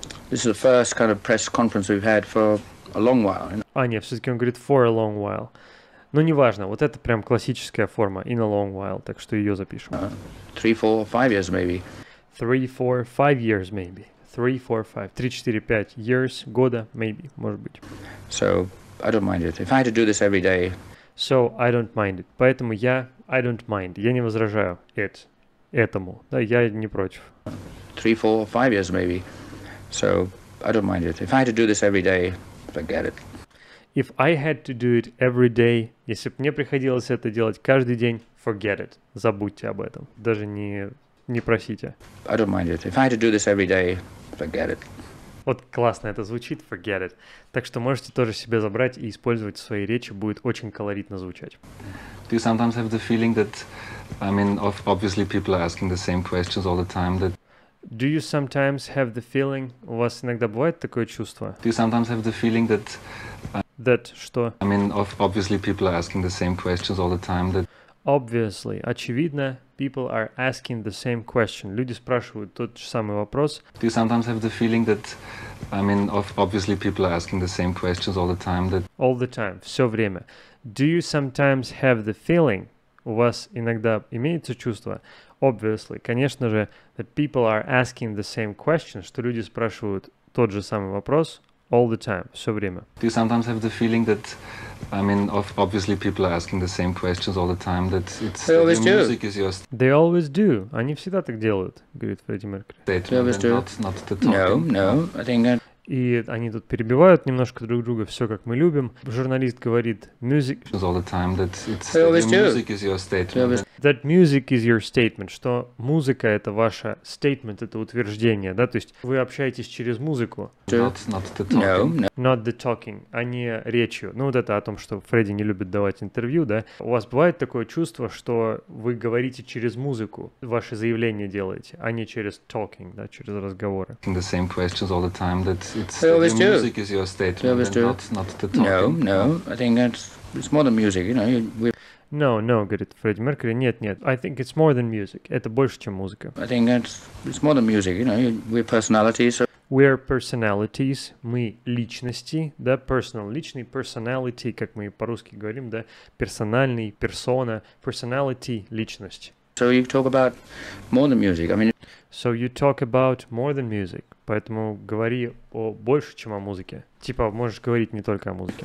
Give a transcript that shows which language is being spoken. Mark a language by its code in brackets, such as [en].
[en] This is the first kind of press conference we've had for a long while. [ru] А, нет, все-таки он говорит [en] for a long while. [ru] Ну, неважно, вот это прям классическая форма, [en] in a long while, [ru] так что ее запишем. [en] 3, 4, 5 years, maybe. 3, 4, 5 years, maybe. 3, 4, 5. 3, 4, 5 years, года, maybe, может быть. So, I don't mind it. If I had to do this every day. So, I don't mind it. [ru] Поэтому я, [en] I don't mind, [ru] я не возражаю it, этому, да, я не против. [en] 3, 4, 5 years, maybe. So, I don't mind it. If I had to do this every day, forget it. If I had to do it every day, [ru] если бы мне приходилось это делать каждый день, [en] forget it. [ru] Забудьте об этом. Даже не просите. [en] I don't mind it. If I had to do this every day, forget it. [ru] Вот классно это звучит, [en] forget it. [ru] Так что можете тоже себе забрать и использовать в своей речи, будет очень колоритно звучать. [en] Do you sometimes have the feeling that, I mean, obviously people are asking the same questions all the time that... Do you sometimes have the feeling... [ru] У вас иногда бывает такое чувство? [en] Do you sometimes have the feeling that... [ru] That что? [en] I mean, obviously people are asking the same questions all the time that... Obviously, [ru] очевидно, [en] people are asking the same question. [ru] Люди спрашивают тот же самый вопрос. [en] Do you sometimes have the feeling that, I mean, obviously people are asking the same questions all the time that... All the time, [ru] все время. [en] Do you sometimes have the feeling, [ru] у вас иногда имеется чувство, [en] obviously, [ru] конечно же, [en] that people are asking the same question, [ru] что люди спрашивают тот же самый вопрос, [en] all the time, все время. Do you sometimes have the feeling that, I mean, obviously people are asking the same questions all the time, that it's they always your do. Music is your... They always do. [ru] Они всегда так делают, говорит Фредди Меркьюри. [en] They always do. Not the talking. No, I think... [ru] И они тут перебивают немножко друг друга, все как мы любим. Журналист говорит, music... [en] All the time, that it's... They always do. Music is your statement. That music is your statement, [ru] что музыка — это ваше statement, это утверждение, да? То есть вы общаетесь через музыку. [en] Not the talking. No. Not the talking, [ru] а не речью. Ну вот это о том, что Фредди не любит давать интервью, да? У вас бывает такое чувство, что вы говорите через музыку, ваши заявления делаете, а не через talking, да, через разговоры. [en] The same questions all the time, that it's... They always the do. Music is your statement, not the talking. No, I think it's more than music, you know, we... No, no, [ru] говорит Фредди Меркьюри, нет-нет. [en] I think it's more than music. [ru] Это больше, чем музыка. [en] I think it's more than music, you know, we're personalities. So... [ru] We're personalities, мы личности, да, personal, личный, personality, как мы по-русски говорим, да, персональный, persona, personality, личность. [en] So you talk about more than music, I mean... So you talk about more than music. [ru] Поэтому говори о больше, чем о музыке. Типа, можешь говорить не только о музыке.